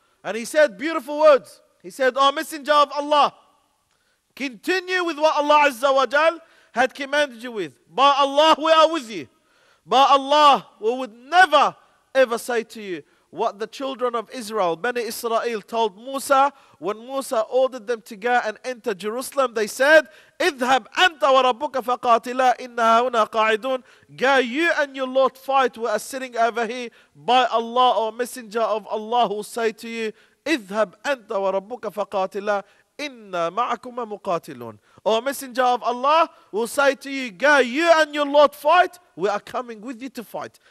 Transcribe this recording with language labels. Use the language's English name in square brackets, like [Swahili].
[English] And he said beautiful words. He said, O Messenger of Allah, continue with what Allah Azza wa Jal had commanded you with. By Allah, we are with you. By Allah, we would never ever say to you what the children of Israel, Bani Israel, told Musa when Musa ordered them to go and enter Jerusalem. They said, [Arabic] اذهب أنت وربك فقاتلا إنها هنا قاعدون. [English] Go you and your Lord fight, we are sitting over here. By Allah, or Messenger of Allah, who say to you, [Arabic] اذهب أنت وربك فقاتلا إنا معكم مقاتلون. [English] O Messenger of Allah, will say to you, go you and your Lord fight, we are coming with you to fight.